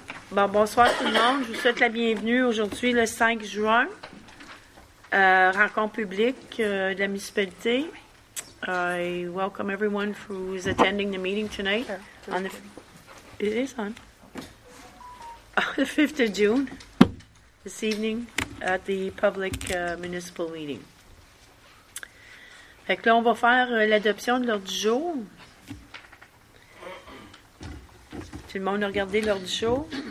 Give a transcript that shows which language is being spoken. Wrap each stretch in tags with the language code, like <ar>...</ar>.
<fr>Bon, bonsoir tout le monde. Je vous souhaite la bienvenue aujourd'hui, le 5 juin. Rencontre publique de la municipalité.</fr> <en>I welcome everyone who is attending the meeting tonight. It is on. The 5th of June, this evening, at the public municipal meeting.</en> <fr>Fait que là, on va faire l'adoption de l'ordre du jour. Tout le monde a regardé l'ordre du jour.</fr>